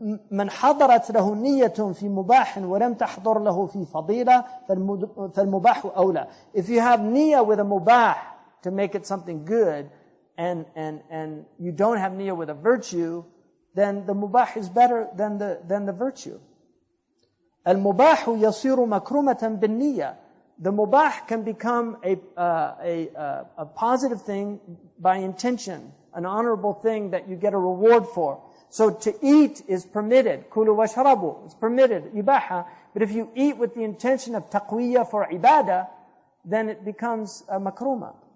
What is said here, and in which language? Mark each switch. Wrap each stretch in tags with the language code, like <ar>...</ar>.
<ar>من حضرت له نية في مباح ولم تحضر له في فضيلة فالمباح أولى.</ar> <en>If you have niyyah with a mubah to make it something good, and you don't have niyyah with a virtue, then the mubah is better than the virtue.</en> <ar>المباح يصير مكرمة بالنية.</ar> <en>The mubah can become a positive thing by intention, an honorable thing that you get a reward for. So to eat is permitted.</en> <ar>كُلُوا وَشَرَبُوا</ar> <en>It's permitted. يُبَاحَ But if you eat with the intention of taqwiya for ibadah, then it becomes a makruma.</en>